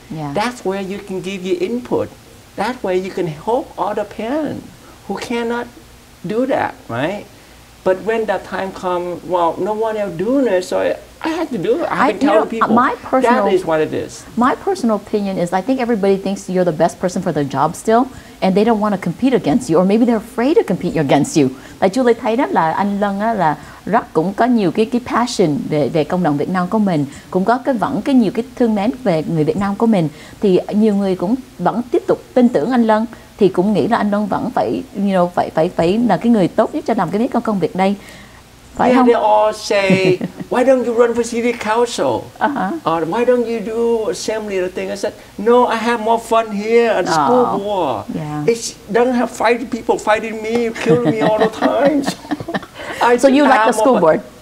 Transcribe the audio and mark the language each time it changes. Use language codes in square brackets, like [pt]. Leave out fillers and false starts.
[en] That's where you can give your input. That way you can help other parents who cannot do that, right? But when that time comes, well, no one else doing it, so I had to do it. I've been telling people, my personal, that is what it is. My personal opinion is I think everybody thinks you're the best person for the job still, and they don't want to compete against you, or maybe they're afraid to compete against you. [vi] Like Julie thấy đó là anh Lân á là rất cũng có nhiều cái passion về cộng đồng Việt Nam của mình, cũng có cái vẫn cái nhiều cái thương mến về người Việt Nam của mình, thì nhiều người cũng vẫn tiếp tục tin tưởng anh Lân thì cũng nghĩ là anh Đông vẫn phải, [en] you know, [vi] phải là cái người tốt nhất cho làm cái công việc đây. Phải yeah, không? [en] They all say, why don't you run for city council? Or why don't you do assembly the thing? I said, no, I have more fun here at school war. Yeah. It doesn't have fighting people fighting me, killing me all the time. So you like the school board?